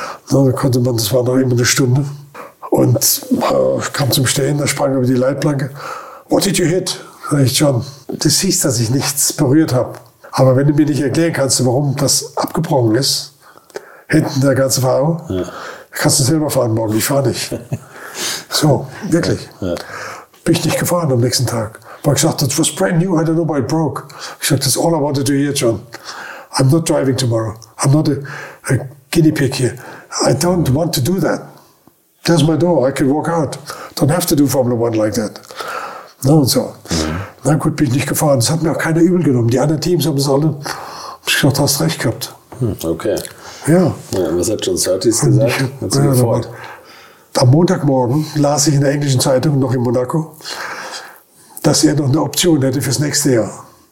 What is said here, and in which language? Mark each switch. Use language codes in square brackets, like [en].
[de] Da konnte man, das war noch immer eine Stunde. Und kam zum Stehen, da sprang über die Leitplanke. [en] What did you hit? [de] Sag ich, John, du siehst, dass ich nichts berührt habe. Aber wenn du mir nicht erklären kannst, warum das abgebrochen ist, hinten der ganze Fahrer, ja, kannst du selber fahren morgen, ich fahre nicht. So, wirklich. Ja. Bin ich nicht gefahren am nächsten Tag. Weil ich sagte, [en] it was brand new, I don't know why it broke. [de] Ich sagte, [en] that's all I wanted to hear, John. I'm not driving tomorrow. I'm not a guinea pig here. I don't want to do that. There's my door, I can walk out. Don't have to do Formula One like that. [de] No, und so. Na gut, bin ich nicht gefahren. Das hat mir auch keiner übel genommen. Die anderen Teams haben es alle, ich dachte, hast recht gehabt. Okay. Ja. Was hat John 30 gesagt? Ich, am Montagmorgen las ich in der englischen Zeitung, noch in Monaco, dass er noch eine Option hätte fürs nächste Jahr.